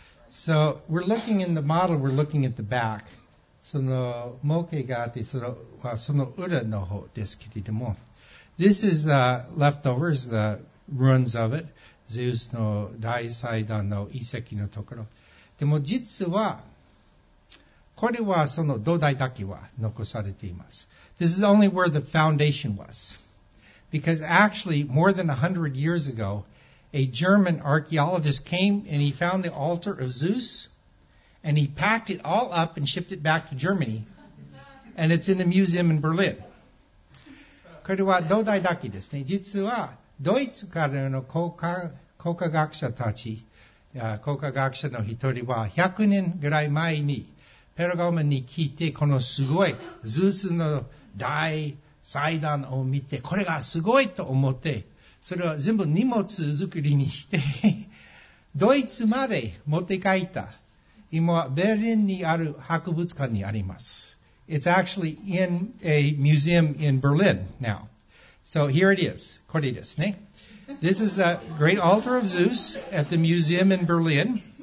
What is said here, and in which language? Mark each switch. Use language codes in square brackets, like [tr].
[en] So, we're looking in the model, we're looking at the back. [ja] その模型があって、それはその裏の方ですけれども。 [en] This is the leftovers, the ruins of it. [ja] ゼウスの大祭壇の遺跡のところ。でも実は、これはその土台だけは残されています。 [en] This is only where the foundation was. Because actually, more than 100 years ago, a German archaeologist came and he found the altar of Zeus and he packed it all up and shipped it back to Germany. And it's in a museum in Berlin. [ja] これは土台だけですね。実はドイツからの考古学者たち、考古学者の一人は100年ぐらい前にペルゴムに聞いて、このすごいゼウスの大祭壇を見て、これがすごいと思って、それを全部荷物作りにして、ドイツまで持って帰った。今はベルリンにある博物館にあります。 [en] It's actually in a museum in Berlin now. So here it is. [ja] これですね。 [en] This is the great altar of Zeus at the museum in Berlin.